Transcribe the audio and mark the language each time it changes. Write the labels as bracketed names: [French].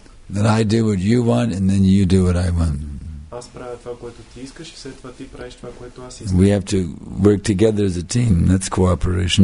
[English] That I do what you want and then you do what I want. [Bulgarian] Аз правя това, което ти искаш, и след това ти правиш това, което аз искам. [English] We have to work together as a team. That's cooperation.